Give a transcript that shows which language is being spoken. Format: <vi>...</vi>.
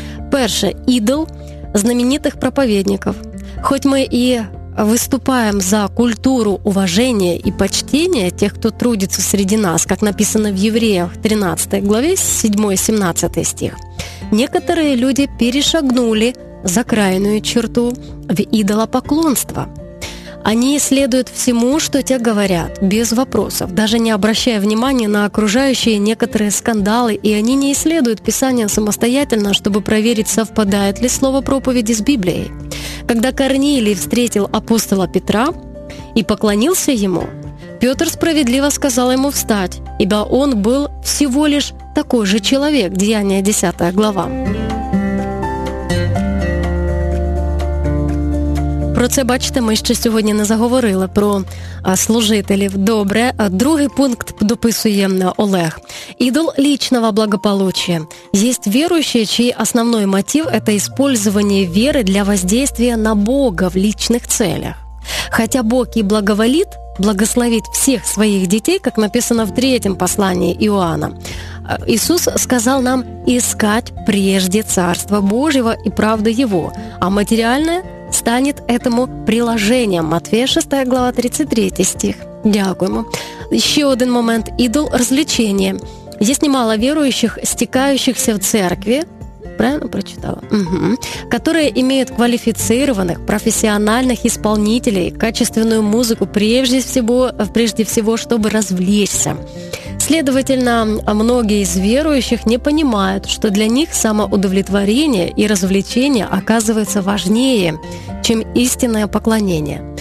<uk>Перше, ідол знаменитих проповедників. Хоть ми і виступаємо за культуру уваження і почтення тих, хто трудиться серед нас, як написано в Євреях 13 главі 7-17 стих, некоторі люди перешагнули за крайню черту в ідолопоклонство.</uk> <ru>Они следуют всему, что те говорят, без вопросов, даже не обращая внимания на окружающие некоторые скандалы, и они не исследуют Писание самостоятельно, чтобы проверить, совпадает ли слово проповеди с Библией. Когда Корнилий встретил апостола Петра и поклонился ему, Петр справедливо сказал ему встать, ибо он был всего лишь такой же человек, Деяния 10 глава.</ru> <uk>Про це, бачите, ми ще сьогодні не заговорили, про служителів. Добре. Другий пункт дописує Олег. Ідол лічного благополуччя. Є віруючі, чий основний мотив – це використання віри для воздействия на Бога в лічних целях. Хоча Бог і благоволить</uk> <ru>благословит всех своих детей, как написано в третьем послании Иоанна. Иисус сказал нам искать прежде Царство Божьего и правды Его, а материальное станет этому приложением.</ru> <uk>Матфея 6, глава 33 стих. Дякуємо. Ще один момент – ідол розлічення. Є немало віруючих, стікаючихся в церкві, правильно прочитала? Угу.</uk> <ru>Которые имеют квалифицированных, профессиональных исполнителей, качественную музыку, прежде всего, чтобы развлечься. Следовательно, многие из верующих не понимают, что для них самоудовлетворение и развлечение оказывается важнее, чем истинное поклонение.</ru>